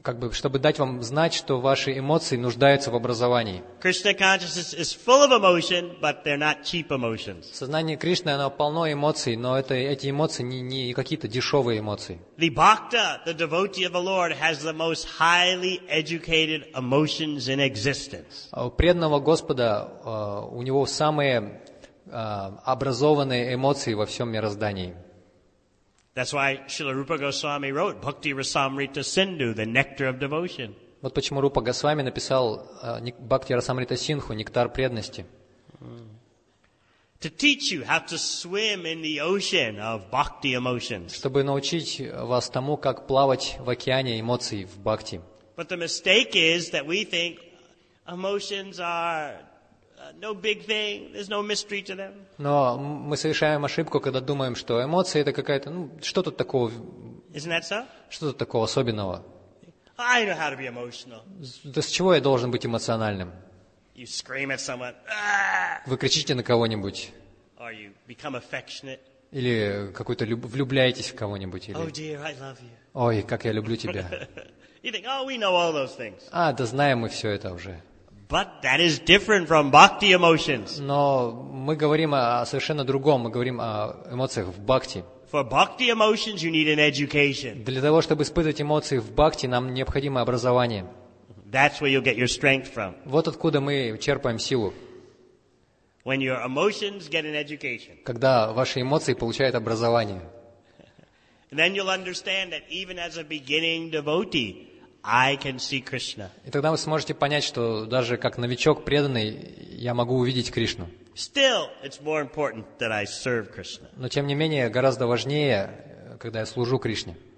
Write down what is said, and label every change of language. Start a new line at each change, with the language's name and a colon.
Russian: Чтобы дать вам знать, что ваши эмоции нуждаются в образовании.
English: Krishna consciousness is full of emotion, but they're not cheap emotions.
Russian: Сознание Кришны, оно полно эмоций, но эти эмоции не какие-то дешевые эмоции.
English: The bhakta, the devotee of the Lord, has the most highly educated emotions in existence.
Russian: У преданного Господа у него самые образованные эмоции во всем мироздании.
English: That's why Srila Rupa Goswami wrote Bhakti Rasamrita Sindhu, the nectar of devotion.
Russian: Вот почему Рупа Госвами написал Бхакти Расамрита Синху, нектар преданности.
English: To teach you how to swim in the ocean of bhakti emotions.
Russian: Чтобы научить вас тому, как плавать в океане эмоций в бхакти.
English: But the mistake is that we think emotions are no big thing. There's no mystery to them.
Russian: Но мы совершаем ошибку, когда думаем, что эмоции это какая-то, ну, что тут такого?
English: Isn't that so?
Russian: Что тут такого особенного?
English: I know how to be emotional.
Russian: Да с чего я должен быть эмоциональным?
English: You scream at someone.
Russian: Вы кричите на кого-нибудь.
English: Or you become affectionate.
Russian: Или какой-то влюбляетесь в кого-нибудь. Или...
English: Oh dear, I love you.
Russian: Ой, как я люблю тебя.
English: You think, oh, we know all those things.
Russian: А, да знаем мы все это уже.
English: But that is different from bhakti emotions.
Russian: Но мы говорим о совершенно другом. Мы говорим о эмоциях в бхакти.
English: For bhakti emotions, you need an education.
Russian: Для того, чтобы испытывать эмоции в бхакти, нам необходимо образование.
English: That's where you'll get your strength from.
Russian: Вот откуда мы черпаем силу.
English: When your emotions get an education.
Russian: Когда ваши эмоции получают образование.
English: And then you'll understand that even as a beginning devotee, I can see Krishna.
Russian: И тогда вы сможете понять, что даже как новичок преданный, я могу увидеть Кришну.
English: Still, it's more important that I serve Krishna.
Russian: Но тем не менее, гораздо важнее, когда я служу Кришне.